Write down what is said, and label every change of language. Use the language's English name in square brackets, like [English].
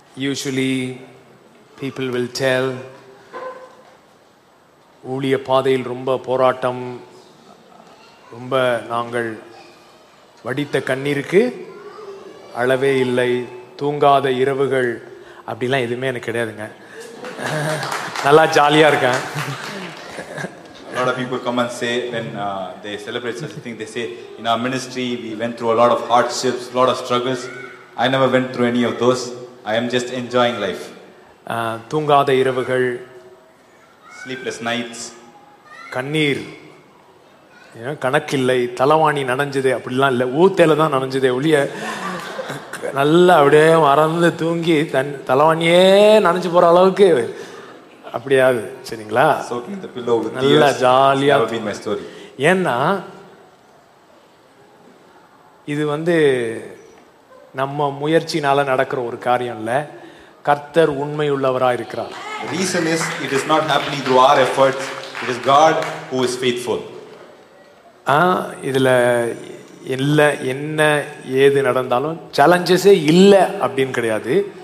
[English] Usually people will tell [Tamil] ஊழிய பாதையில் ரொம்ப போராட்டம், ரொம்ப நாங்கள் வடித்த கண்ணீருக்கு அளவே இல்லை, தூங்காத இரவுகள், அப்படிலாம் எதுவுமே எனக்கு கிடையாதுங்க. நல்லா ஜாலியாக இருக்கேன். [English] A lot of people come and say when they celebrate such a thing, they say in our ministry we went through a lot of hardships, a lot of struggles. I never went through any of those. I am just enjoying life. [Tamil] தூங்காத இரவுகள், [English] sleepless nights, [Tamil] கண்ணீர், கணக்கில்லை, தலவாணி நனைஞ்சது, அப்படிலாம் இல்லை, ஊத்தேல தான் நனைஞ்சது ஒழிய நல்லா அப்படியே மறந்து தூங்கி தலவாணியே நனைஞ்சு போற அளவுக்கு அப்படியாது சரிங்களா. நல்லா ஜாலியா ஏன்னா இது வந்து நம்ம முயற்சினால நடக்கிற ஒரு காரியம் இல்லை, கர்த்தர் உண்மை உள்ளவராக இருக்கிறார். [English] The reason is it is not happening through our efforts, it is God who is faithful. [Tamil] இதுல இல்லை என்ன ஏது நடந்தாலும் சேலஞ்சஸே இல்லை அப்படின்னு கிடையாது.